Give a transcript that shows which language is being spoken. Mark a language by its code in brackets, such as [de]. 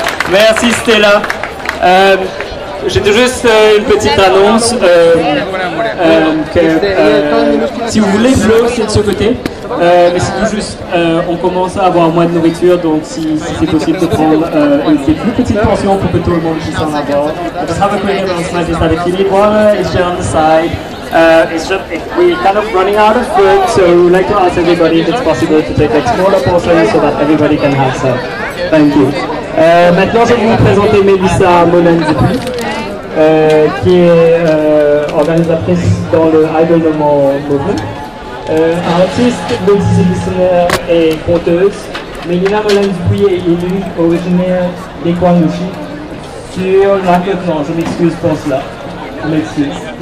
[fr] Merci Stella. J'ai juste une petite annonce. Si vous voulez, bleu, c'est de ce côté. Mais c'est tout juste, on commence à avoir moins de nourriture, donc si c'est possible de prendre une plus petite portion pour que tout le monde puisse en avoir. [en] Just have a quick announcement, my sister Philippe, it's here on the side. We're kind of running out of food, so we'd like to ask everybody if it's possible to take a smaller portion so that everybody can have some. Thank you. [fr] Maintenant, je vais vous présenter Mélissa Molin-Dupuis, qui est organisatrice dans le Idle No More Movement. Artiste, multidisciplinaire et conteuse, Mélina Molin-Dupuis est élue originaire des Kwangushi sur la côte nord. Je m'excuse pour cela. Je m'excuse.